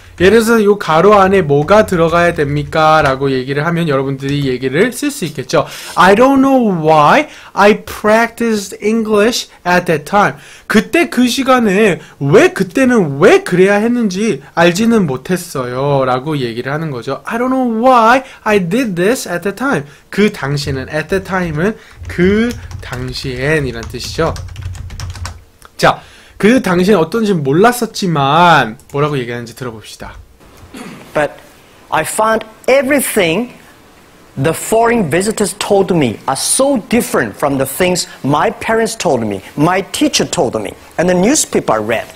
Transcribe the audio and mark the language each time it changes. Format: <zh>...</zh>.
<ko>예를 들어서 요 가로 안에 뭐가 들어가야 됩니까? 라고 얘기를 하면 여러분들이 얘기를 쓸 수 있겠죠.</ko> <en>I don't know why I practiced English at that time.</en> <ko>그때 그 시간에 왜 그때는 왜 그래야 했는지 알지는 못했어요. 라고 얘기를 하는 거죠.</ko> <en>I don't know why I did this at that time.</en> <ko>그 당시에는,</ko> <en>at that time</en> <ko>은 그 당시엔 이란 뜻이죠. 자, 그 당시엔 어떤지 몰랐었지만 뭐라고 얘기하는지 들어봅시다.</ko> <en>But I found everything the foreign visitors told me are so different from the things my parents told me, my teacher told me, and the newspaper I read.</en>